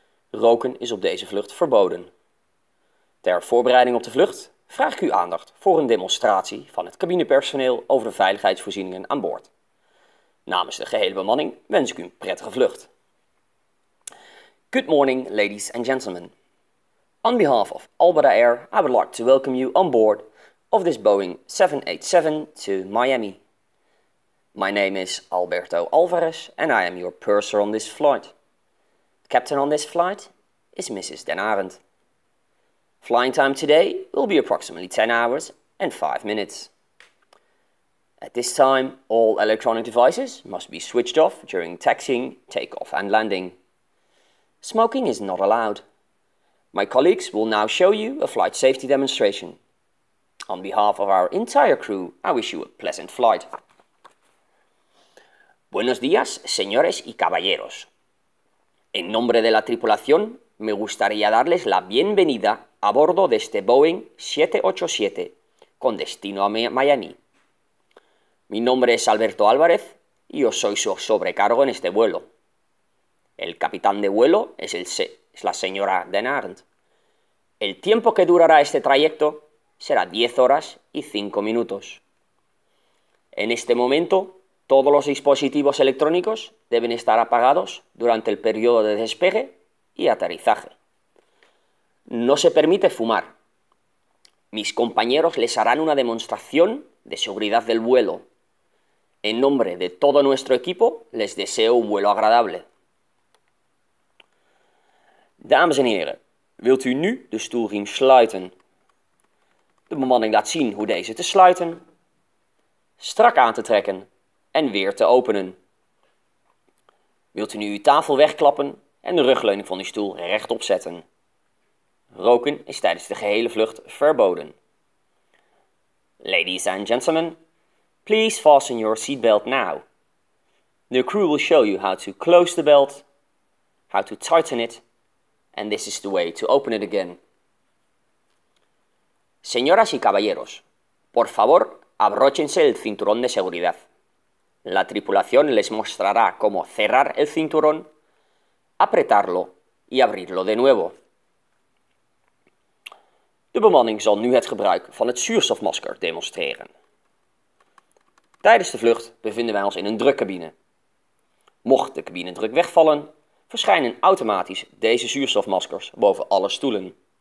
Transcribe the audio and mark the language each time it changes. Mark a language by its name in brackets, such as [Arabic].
[Dutch] Roken is op deze vlucht verboden. Ter voorbereiding op de vlucht vraag ik u aandacht voor een demonstratie van het cabinepersoneel over de veiligheidsvoorzieningen aan boord. Namens de gehele bemanning wens ik u een prettige vlucht. [English] Good morning, ladies and gentlemen. On behalf of Alberta Air, I would like to welcome you on board of this Boeing 787 to Miami. My name is Alberto Alvarez and I am your purser on this flight. Captain on this flight is Mrs. Den Arend. Flying time today will be approximately 10 hours and 5 minutes. At this time, all electronic devices must be switched off during taxiing, takeoff and landing. Smoking is not allowed. My colleagues will now show you a flight safety demonstration. On behalf of our entire crew, I wish you a pleasant flight. [Spanish] Buenos días, señores y caballeros. En nombre de la tripulación, me gustaría darles la bienvenida a bordo de este Boeing 787 con destino a Miami. Mi nombre es Alberto Álvarez y yo soy su sobrecargo en este vuelo. El capitán de vuelo es la señora Den Arend. El tiempo que durará este trayecto será 10 horas y 5 minutos. En este momento, todos los dispositivos electrónicos deben estar apagados durante el periodo de despegue y aterrizaje. No se permite fumar. Mis compañeros les harán una demostración de seguridad del vuelo. En nombre de todo nuestro equipo, les deseo un vuelo agradable. [Dutch] Dames en heren, wilt u nu de stoelriem sluiten? De bemanning laat zien hoe deze te sluiten, strak aan te trekken en weer te openen. Wilt u nu uw tafel wegklappen en de rugleuning van uw stoel rechtop zetten? Roken is tijdens de gehele vlucht verboden. [English] Ladies and gentlemen, please fasten your seatbelt now. The crew will show you how to close the belt, how to tighten it, and this is the way to open it again. [Spanish] Señoras y caballeros, por favor, abróchense el cinturón de seguridad. La tripulación les mostrará cómo cerrar el cinturón, apretarlo y abrirlo de nuevo. [Dutch] De bemanning zal nu het gebruik van het zuurstofmasker demonstreren. Tijdens de vlucht bevinden wij ons in een drukcabine. Mocht de cabinedruk wegvallen, verschijnen automatisch deze zuurstofmaskers boven alle stoelen.